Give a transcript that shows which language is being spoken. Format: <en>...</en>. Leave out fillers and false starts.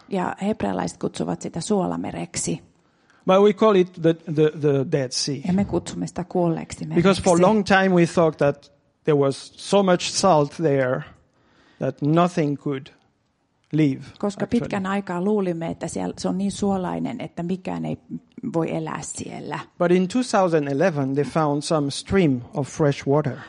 <fi>Ja hebrealaiset kutsuvat sitä suolamereksi.</fi> <en>But we call it the Dead Sea.</en> <fi>Ja me kutsumme sitä kuolleeksi mereksi.</fi> <en>Because for a long time we thought that there was so much salt there that nothing could live.</en> <fi>Koska pitkän aikaa luulimme, että siellä se on niin suolainen, että mikään ei voi elää siellä.</fi> <en>But in 2011 they found some stream of fresh water.</en>